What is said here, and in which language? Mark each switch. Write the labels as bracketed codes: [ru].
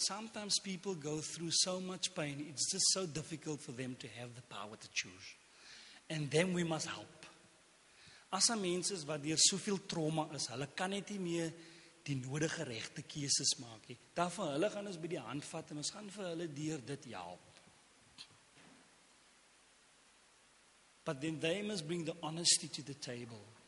[en] Sometimes people go through so much pain, it's just so difficult for them to have the power to choose. And then we must help. [af] As a mens is wat deur soveel trauma is, hulle kan net nie meer die nodige regte keuses maak nie. Daarvoor hulle gaan ons by die hand vat en ons gaan vir hulle deur dit help. [en] But then they must bring the honesty to the table.